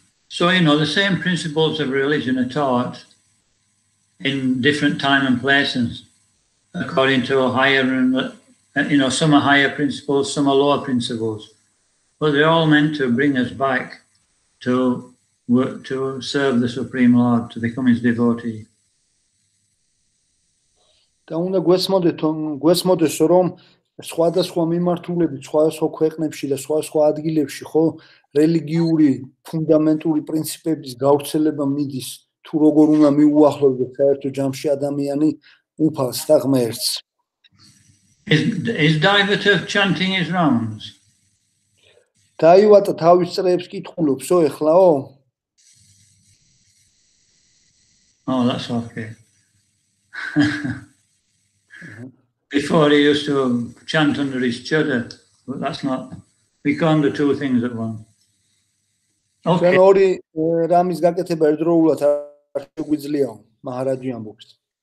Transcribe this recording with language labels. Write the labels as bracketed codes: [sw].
[en] So you know the same principles of religion are taught in different time and places according to a higher and you know some are higher principles some are lower principles but they're all meant to bring us back to work, to serve the supreme lord to become his devotee [ka] და უნდა გვესმოდეს რომ სხვადასხვა მიმართულებით სხვადასხვა ქვეყნებში და სხვადასხვა ადგილებში ხო რელიგიური ფუნდამენტური პრინციპების გავრცელება მიდის თუ როგორ უნდა მიუახლოვდეს საერთო ჯამში ადამიანი უფალს და ღმერთს. [en] Is divert of chanting his rounds. [ka] დაივატა თავის წრეებს კითხულობსო ეხლაო? [en] Oh, that's okay. Before he used to chant under his chada, but that's not we can't do two things at once. Okay. [ka] Ჩვენ ორი რამის გაკეთება ერთდროულად არ შეგვიძლია, მაჰარაჯი ამბობს.